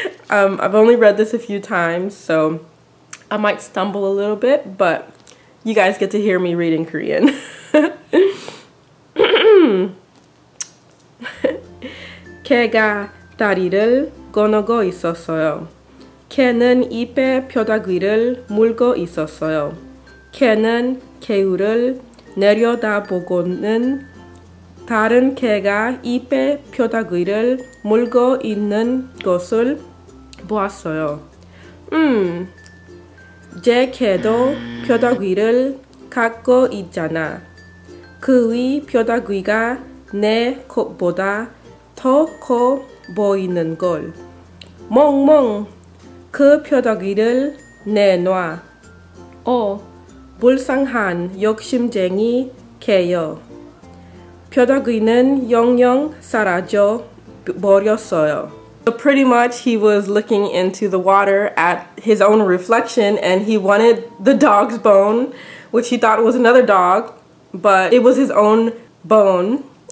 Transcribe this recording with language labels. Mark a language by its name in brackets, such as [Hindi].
[English] I've only read this a few times, so I might stumble a little bit, but you guys get to hear me read in Korean. [Korean] 개가 다리를 건너고 있었어요. 개는 입에 뼈다귀를 물고 있었어요. 개는 개울을 내려다보고는 다른 개가 입에 뼈다귀를 물고 있는 것을 보았어요. 제 개도 뼈다귀를 갖고 있잖아. 그의 뼈다귀가 내 것보다 더 커 보이는 걸. 멍멍! 그 뼈다귀를 내놔. 오, 불쌍한 욕심쟁이 개여. 뼈다귀는 영영 사라져 버렸어요. [English] So pretty much he was looking into the water at his own reflection and he wanted the dog's bone, which he thought was another dog, but it was his own bone.